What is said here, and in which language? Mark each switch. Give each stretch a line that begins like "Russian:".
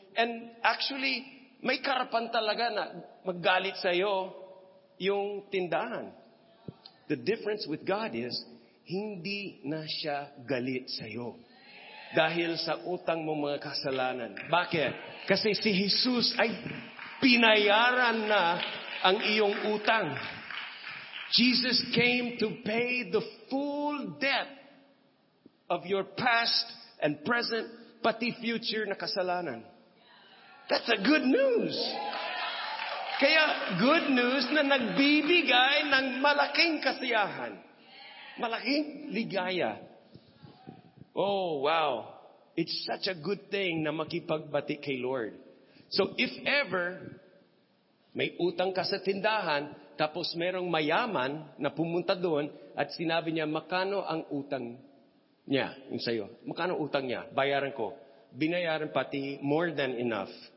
English: And actually,
Filipino: may karapan talaga na maggalit sa'yo yung tindahan.
English: The difference with God is,
Filipino: hindi na siya galit sa'yo. Dahil sa utang mo mga kasalanan. Bakit? Kasi si Jesus ay pinayaran na ang iyong utang.
English: Jesus came to pay the full debt of your past and present,
Filipino: pati future na kasalanan.
English: That's a good news.
Filipino: Kaya good news na nagbibigay ng malaking kasiyahan. Malaking ligaya. Oh, wow.
English: It's such a good thing
Filipino: na makipagbati kay Lord. So if ever may utang ka sa tindahan, tapos merong mayaman na pumunta doon at sinabi niya, makano ang utang niya yung sa'yo? Makano utang niya? Bayaran ko. Binayaran pati more than enough.